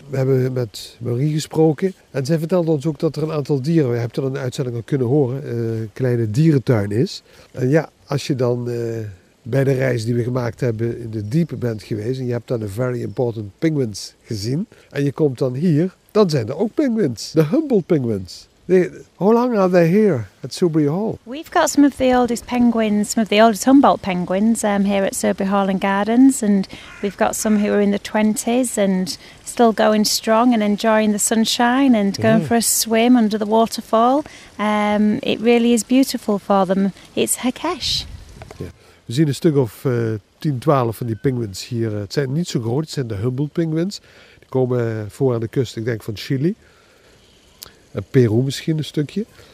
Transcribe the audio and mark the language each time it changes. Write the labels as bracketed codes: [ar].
[nl] We hebben met Marie gesproken en zij vertelde ons ook dat er een aantal dieren, we hebben het in de uitzending al kunnen horen, een kleine dierentuin is. En ja, als je dan bij de reis die we gemaakt hebben in de diepe bent geweest en je hebt dan de [en] very important penguins [nl] gezien en je komt dan hier, dan zijn er ook penguins, de humble penguins. [en] How long are they here at Shrewsbury Hall? We've got some of the oldest penguins, some of the oldest Humboldt penguins here at Shrewsbury Hall and Gardens, and we've got some who are in their 20s and still going strong and enjoying the sunshine and going for a swim under the waterfall. It really is beautiful for them. It's Hekesh. Yeah. [nl] We zien een stuk of 10, 12 van die penguins hier. Het zijn niet zo groot, het zijn de Humboldt penguins. Die komen voor aan de kust, ik denk van Chili. Peru misschien een stukje.